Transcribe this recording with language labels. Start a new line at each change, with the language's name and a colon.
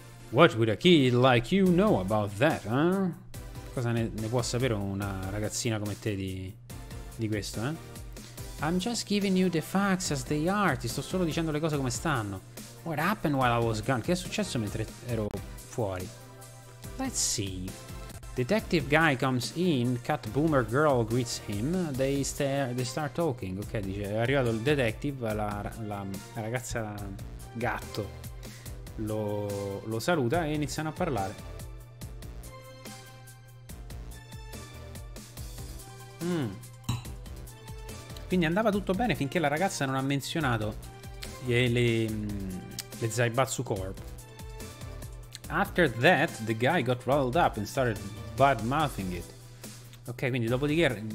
English: What would a kid like you know about that, eh?
Italian: Cosa ne può sapere una ragazzina come te di questo, eh?
English: I'm just giving you the facts as they are.
Italian: Ti sto solo dicendo le cose come stanno.
English: What happened while I was gone?
Italian: Che è successo mentre ero fuori?
English: Let's see. Detective guy comes in, cat boomer girl greets him, they start talking.
Italian: Ok, dice, è arrivato il detective, la ragazza gatto lo saluta e iniziano a parlare. Quindi andava tutto bene finché la ragazza non ha menzionato le Zaibatsu Corp.
English: After that the guy got riled up and started bad mouthing it.
Italian: Ok, quindi dopodiché